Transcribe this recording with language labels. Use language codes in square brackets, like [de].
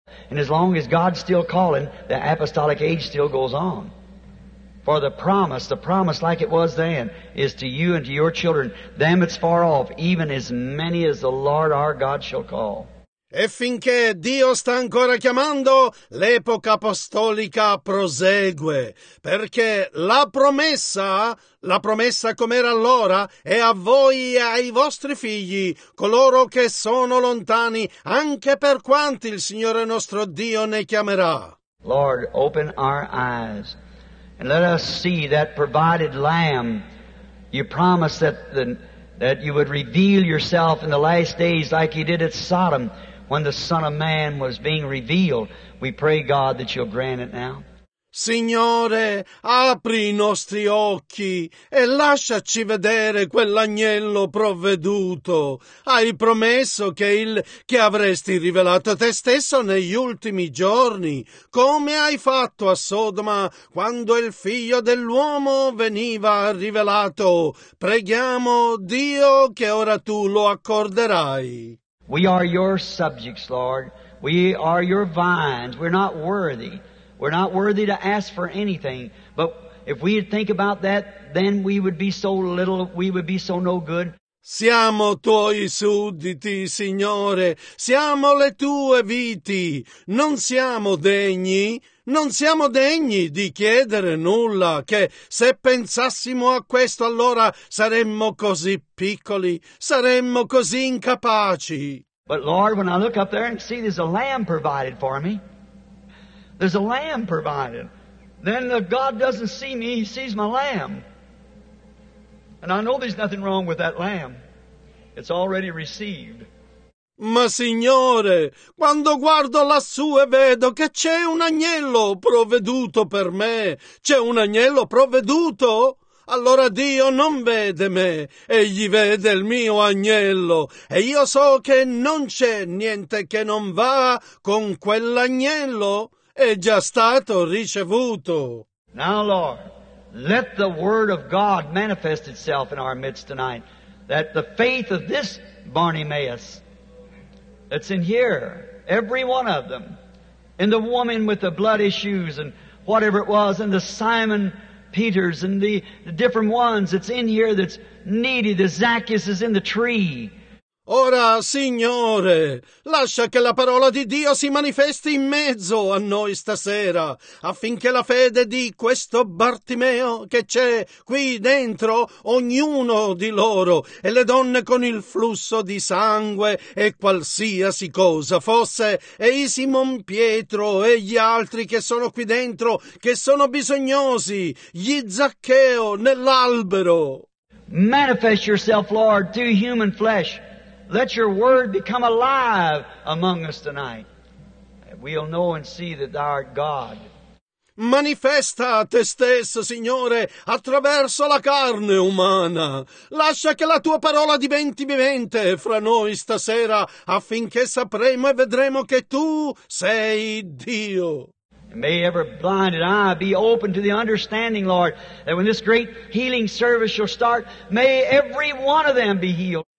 [en] And as long as God's still calling, the apostolic age still goes on. For the promise like it was then, is to you and to your children, them that's far off, even as many as the Lord our God shall call. [it] E finché Dio sta ancora chiamando, l'epoca apostolica prosegue, perché la promessa com'era allora, è a voi e ai vostri figli, coloro che sono lontani, anche per quanti il Signore nostro Dio ne chiamerà. [en] Lord, open our eyes. And let us see that provided Lamb. You promised that you would reveal yourself in the last days like you did at Sodom when the Son of Man was being revealed. We pray, God, that you'll grant it now. [it] Signore, apri i nostri occhi e lasciaci vedere quell'agnello provveduto. Hai promesso che avresti rivelato te stesso negli ultimi giorni, come hai fatto a Sodoma quando il figlio dell'uomo veniva rivelato. Preghiamo Dio che ora tu lo accorderai. [en] We are your subjects, Lord. We are your vines. We're not worthy. We're not worthy to ask for anything, but if we think about that, then we would be so little, we would be so no good. [it] Siamo tuoi sudditi, Signore. Siamo le tue viti. Non siamo degni. Non siamo degni di chiedere nulla, che se pensassimo a questo, allora saremmo così piccoli, saremmo così incapaci. [en] But Lord, when I look up there and see there's a lamb provided for me, there's a lamb provided. Then the God doesn't see me, he sees my lamb. And I know there's nothing wrong with that lamb. It's already received. [it] Ma Signore, quando guardo lassù e vedo che c'è un agnello provveduto per me, c'è un agnello provveduto? Allora Dio non vede me, egli vede il mio agnello, e io so che non c'è niente che non va con quell'agnello. È già stato ricevuto. [en] Now, Lord, let the word of God manifest itself in our midst tonight, that the faith of this Bartimaeus that's in here, every one of them, and the woman with the blood issues and whatever it was, and the Simon Peters and the different ones that's in here that's needy, the Zacchaeus is in the tree. [it] Ora, Signore, lascia che la parola di Dio si manifesti in mezzo a noi stasera, affinché la fede di questo Bartimeo che c'è qui dentro, ognuno di loro, e le donne con il flusso di sangue e qualsiasi cosa fosse, e i Simon Pietro e gli altri che sono qui dentro, che sono bisognosi, gli Zaccheo nell'albero. [en] Manifest yourself, Lord, to human flesh. Let your word become alive among us tonight. We'll know and see that thou art God. [it] Manifesta te stesso, Signore, attraverso la carne umana. Lascia che la tua parola diventi vivente fra noi stasera, affinché sapremo e vedremo che tu sei Dio. [en] May every blinded eye be open to the understanding, Lord, that when this great healing service shall start, may every one of them be healed.